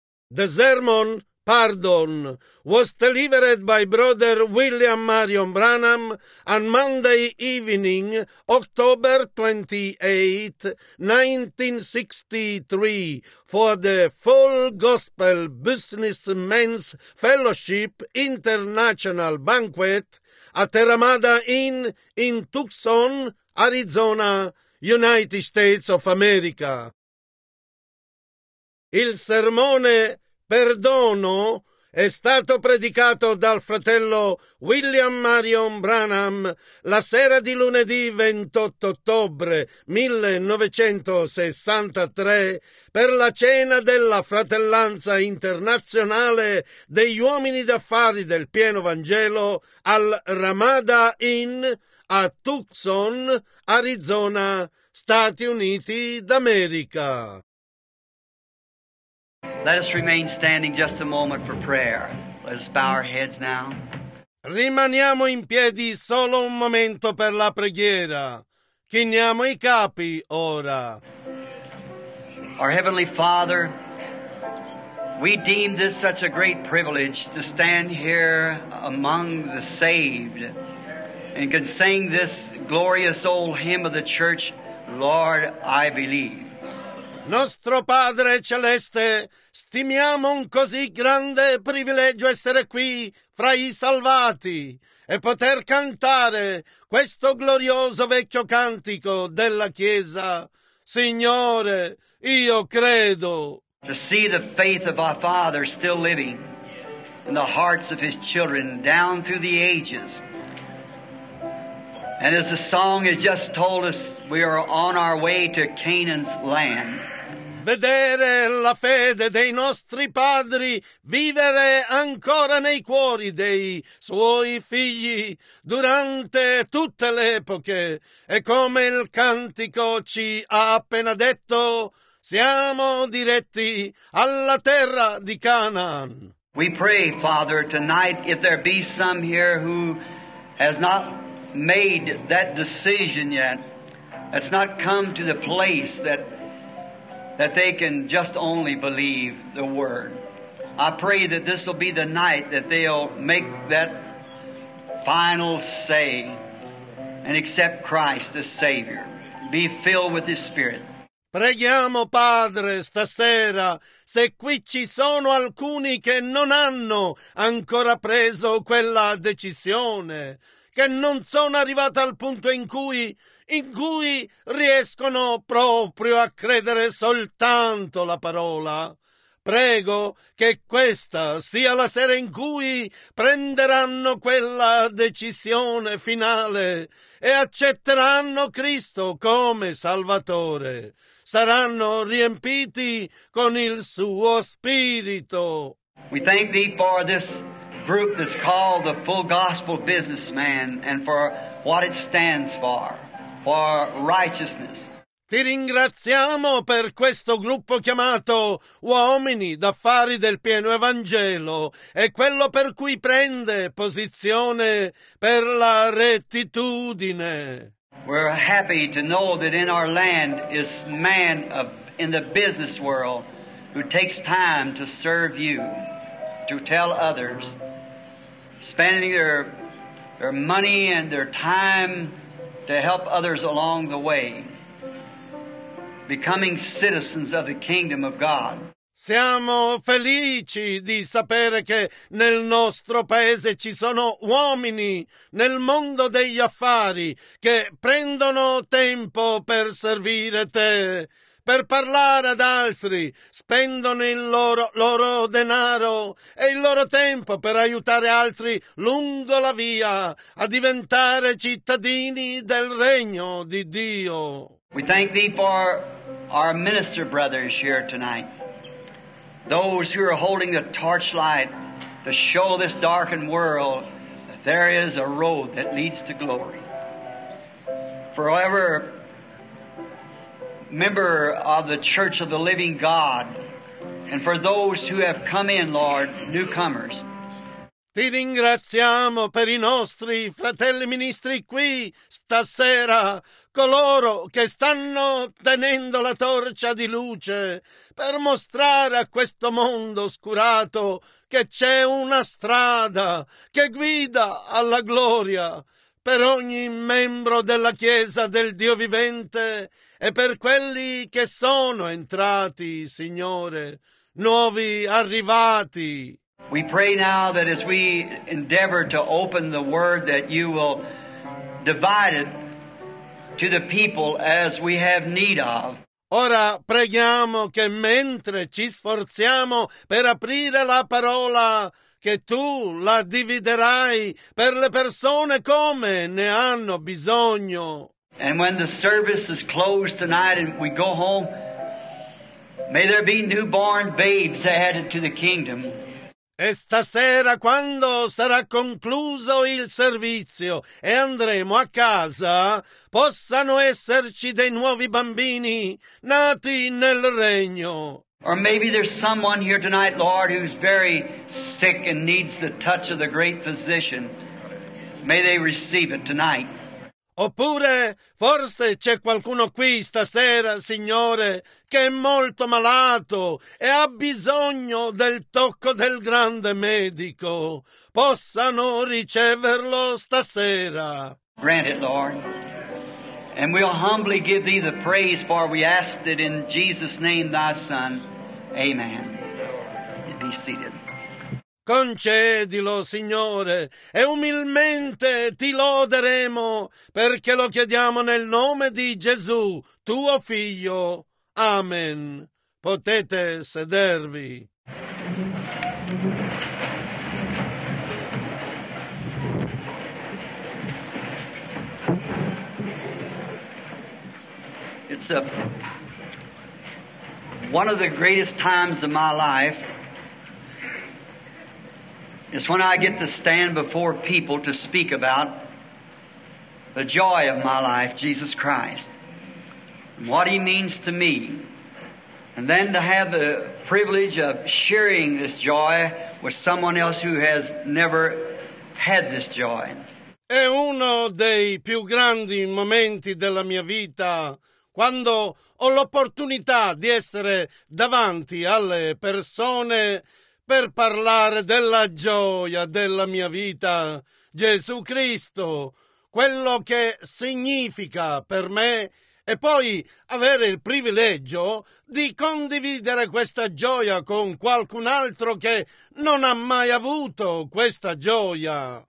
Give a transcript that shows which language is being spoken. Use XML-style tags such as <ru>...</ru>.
<en>The sermon, Pardon, was delivered by Brother William Marion Branham on Monday evening, October 28, 1963, for the Full Gospel Businessmen's Fellowship International Banquet at Ramada Inn in Tucson, Arizona, United States of America.</en> <it>Il sermone Perdono è stato predicato dal fratello William Marion Branham la sera di lunedì 28 ottobre 1963 per la cena della Fratellanza Internazionale degli Uomini d'Affari del Pieno Vangelo al Ramada Inn a Tucson, Arizona, Stati Uniti d'America.</it> <en>Let us remain standing just a moment for prayer. Let us bow our heads now.</en> <it>Rimaniamo in piedi solo un momento per la preghiera. Chiniamo i capi ora.</it> <en>Our Heavenly Father, we deem this such a great privilege to stand here among the saved and can sing this glorious old hymn of the church, Lord, I Believe.</en> <it>Nostro Padre Celeste, stimiamo un così grande privilegio essere qui fra i salvati e poter cantare questo glorioso vecchio cantico della Chiesa. Signore, io credo.</it> <en>To see the faith of our Father still living in the hearts of his children down through the ages. And as the song has just told us, we are on our way to Canaan's land.</en> <it>Vedere la fede dei nostri padri vivere ancora nei cuori dei suoi figli durante tutte le epoche. E come il cantico ci ha appena detto, siamo diretti alla terra di Canaan.</it> <en>We pray, Father, tonight, if there be some here who has not made that decision yet, that's not come to the place that they can just only believe the word. I pray that this will be the night that they'll make that final say and accept Christ as Savior. Be filled with His Spirit.</en> <it>Preghiamo, Padre, stasera, se qui ci sono alcuni che non hanno ancora preso quella decisione, che non sono arrivati al punto in cui riescono proprio a credere soltanto la parola. Prego che questa sia la sera in cui prenderanno quella decisione finale e accetteranno Cristo come Salvatore. Saranno riempiti con il suo Spirito.</it> <en>We thank Thee for this group that's called the Full Gospel Businessman and for what it stands for. For righteousness.</en> <it>Ti ringraziamo per questo gruppo chiamato Uomini d'Affari del Pieno Evangelo e quello per cui prende posizione per la rettitudine.</it> <en>We're happy to know that in our land is man of, in the business world who takes time to serve you, to tell others, spending their money and their time to help others along the way, becoming citizens of the kingdom of God.</en> <it>Siamo felici di sapere che nel nostro paese ci sono uomini nel mondo degli affari che prendono tempo per servire te, per parlare ad altri, spendono il loro denaro e il loro tempo per aiutare altri lungo la via a diventare cittadini del Regno di Dio.</it> <en>We thank Thee for our minister brothers here tonight, those who are holding the torchlight to show this darkened world that there is a road that leads to glory. Forever member of the Church of the Living God, and for those who have come in, Lord, newcomers.</en> <it>Ti ringraziamo per i nostri fratelli ministri qui stasera, coloro che stanno tenendo la torcia di luce per mostrare a questo mondo oscurato che c'è una strada che guida alla gloria per ogni membro della Chiesa del Dio vivente e per quelli che sono entrati, Signore, nuovi arrivati.</it> <en>We pray now that as we endeavor to open the Word that you will divide it to the people as we have need of.</en> <it>Ora preghiamo che mentre ci sforziamo per aprire la parola, che tu la dividerai per le persone come ne hanno bisogno.</it> <en>And when the service is closed tonight and we go home, may there be newborn babes added to the kingdom.</en> <it>E stasera, quando sarà concluso il servizio e andremo a casa, possano esserci dei nuovi bambini nati nel regno.</it> <en>Or maybe there's someone here tonight, Lord, who's very sick and needs the touch of the great physician. May they receive it tonight.</en> <it>Oppure forse c'è qualcuno qui stasera, Signore, che è molto malato e ha bisogno del tocco del grande medico. Possano riceverlo stasera.</it> <en>Grant it, Lord. And we'll humbly give thee the praise, for we asked it in Jesus' name, thy Son. Amen. And be seated.</en> <it>Concedilo, Signore, e umilmente ti loderemo, perché lo chiediamo nel nome di Gesù, tuo Figlio. Amen. Potete sedervi.</it> <en>It's a one of the greatest times of my life. It's when I get to stand before people to speak about the joy of my life, Jesus Christ, and what He means to me, and then to have the privilege of sharing this joy with someone else who has never had this joy.</en> <it>È uno dei più grandi momenti della mia vita quando ho l'opportunità di essere davanti alle persone per parlare della gioia della mia vita, Gesù Cristo, quello che significa per me, e poi avere il privilegio di condividere questa gioia con qualcun altro che non ha mai avuto questa gioia.</it>